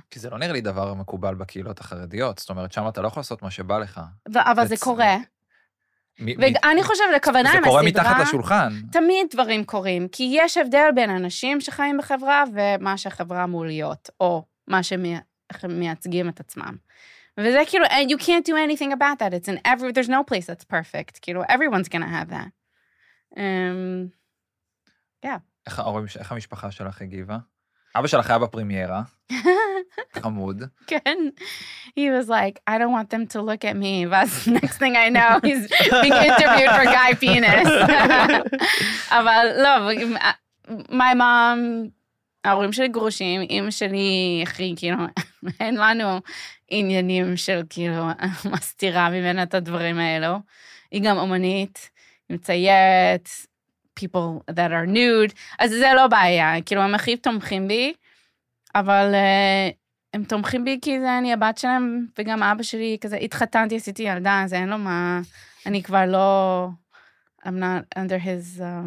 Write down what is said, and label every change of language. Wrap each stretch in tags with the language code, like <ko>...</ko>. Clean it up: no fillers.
<he>כי זה לא נראה לי דבר מקובל בקהילות החרדיות, זאת אומרת, שם אתה לא יכול לעשות מה שבא לך. אבל זה קורה. ואני חושב, לכוונה עם הסדרה, זה קורה מתחת לשולחן. תמיד דברים קורים, כי יש הבדל בין אנשים שחיים בחברה ומה שהחברה אמור להיות, או מה שמייצגים את עצמם. וזה כאילו,</he> <en>and you can't do anything about that. It's in every, there's no place that's perfect.</en> <he>כאילו,</he> <en>everyone's gonna have that.</en> <he>איך ההורים, איך המשפחה שלך הגיבה? אבא שלך היה בפרימיירה. חמוד. כן.</he> <en>He was like, I don't want them to look at me. But next thing I know, he's being interviewed for Guy Penis.</en> <he>אבל לא,</he> <en>my mom...</en> <he>ההורים שלי גרושים, אמא שלי הכי, כאילו, אין לנו עניינים של, כאילו, מסתירה ממנה את הדברים האלו. היא גם אומנית, מציירת,</he> <en>people that are nude,</en> <he>אז זה לא בעיה, כאילו, הם הכי תומכים בי, אבל הם תומכים בי כי זה אני הבת שלהם, וגם אבא שלי כזה, התחתנתי, עשיתי ילדה, אז אין לו מה, אני כבר לא,</he> <en>I'm not under his...</en>